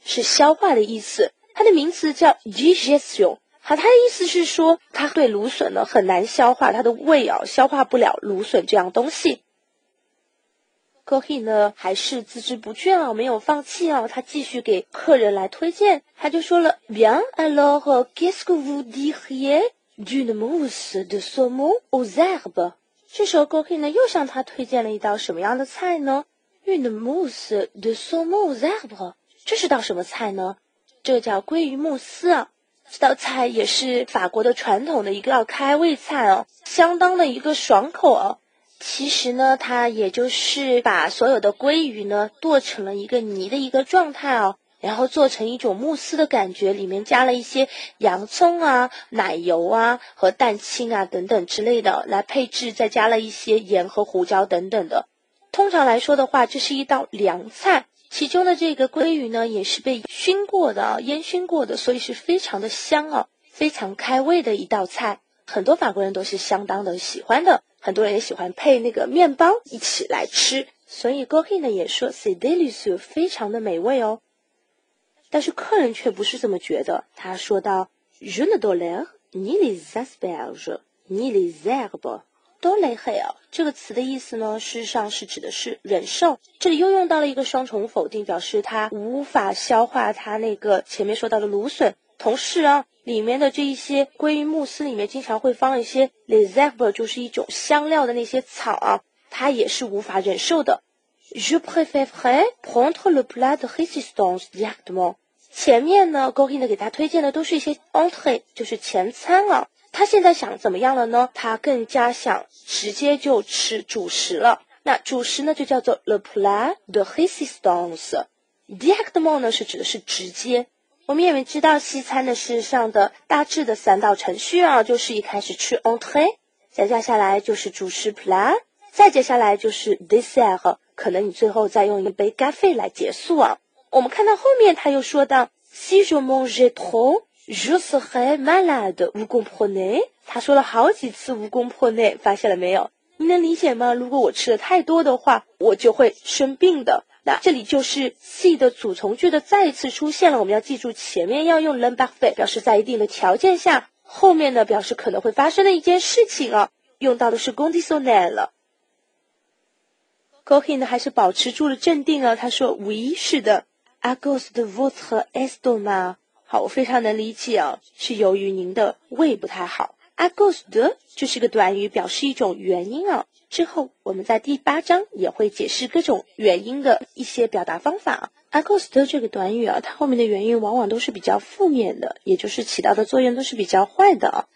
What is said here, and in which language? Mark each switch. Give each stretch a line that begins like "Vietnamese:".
Chinese: 是消化的意思。它的名词叫 digestion。好，它的意思是说，它对芦笋呢很难消化，它的胃啊消化不了芦笋这样东西。高希呢还是孜孜不倦啊，没有放弃啊，他继续给客人来推荐。他就说了
French: Bien, alors, qu'est-ce que vous diriez d'une mousse de saumon aux herbes?
Chinese: 这时候高希呢又向他推荐了一道什么样的菜呢？
French: Une mousse de saumon aux herbes?
Chinese: 这是道什么菜呢？这叫鲑鱼慕斯啊。这道菜也是法国的传统的一个要开胃菜哦，相当的一个爽口哦。其实呢，它也就是把所有的鲑鱼呢剁成了一个泥的一个状态哦，然后做成一种慕斯的感觉，里面加了一些洋葱啊、奶油啊和蛋清啊等等之类的来配制，再加了一些盐和胡椒等等的。通常来说的话，这是一道凉菜。其中的这个鲑鱼呢也是被熏过的，烟熏过的，所以是非常的香哦，非常开胃的一道菜，很多法国人都是相当的喜欢的，很多人也喜欢配那个面包一起来吃，所以 Gohi 呢也说
French: c'est délicieux，
Chinese: 非常的美味哦。但是客人却不是这么觉得，他说到
French: je ne tolère ni les asperges ni les herbes。
Chinese: tolérer 这个词的意思呢，事实上是指的是忍受，这里又用到了一个双重否定，表示他无法消化他那个前面说到的芦笋，同时啊，里面的这一些鲑鱼慕斯里面经常会放一些 les herbes， 就是一种香料的那些草啊，他也是无法忍受的。
French: je préférerais prendre le plat de résistance directement。
Chinese: 前面呢 Gohi 给他推荐的都是一些 entrée， 就是前餐啊，他现在想怎么样了呢？他更加想直接就吃主食了。那主食呢就叫做
French: le plat de résistance。
Chinese: directement 呢是指的是直接。我们也知道西餐的事实上的大致的三道程序啊，就是一开始吃 entrée， 再接下来就是主食 plat， 再接下来就是 dessert， 可能你最后再用一杯咖啡来结束啊。我们看到后面他又说到
French: si je mangeais trop Je serais malade, vous comprenez?
Chinese: 他说了好几次
French: vous comprenez，
Chinese: 发现了没有？你能理解吗？如果我吃的太多的话，我就会生病的。那这里就是 si 的组从句的再一次出现了，我们要记住前面要用 le parfait， 表示在一定的条件下，后面呢表示可能会发生的一件事情啊，用到的是 conditionnel 了。 Cohen 还是保持住了镇定啊，他说 oui， 是的 ，
French: à cause de votre estomac。
Chinese: 好，我非常能理解啊，是由于您的胃不太好。 À cause de 就是个短语，表示一种原因啊。之后我们在第八章也会解释各种原因的一些表达方法啊。 À cause de 这个短语啊，它后面的原因往往都是比较负面的，也就是起到的作用都是比较坏的啊。